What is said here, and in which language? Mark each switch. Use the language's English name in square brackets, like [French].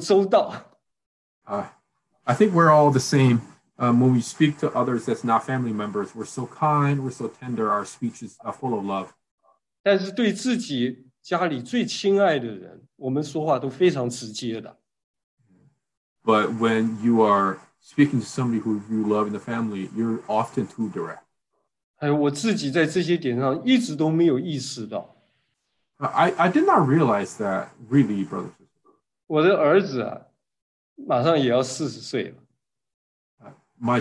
[Chinese] 我想我们都是这样，我们对外人都又温柔又体贴，我们又周到。 [English] I think we're all the same. When we speak to others that's not family members, we're so kind, we're so tender, our speech is full of love. [Chinese] 但是对自己家里最亲爱的人，我们说话都非常直接的。 [English] But when you are speaking to somebody who you love in the family, you're often too direct. [Chinese] 我自己在这些点上一直都没有意识到。 [English] I did not realize that, really, brothers and sisters. [Chinese] 我的儿子马上也要40岁了。 [English] My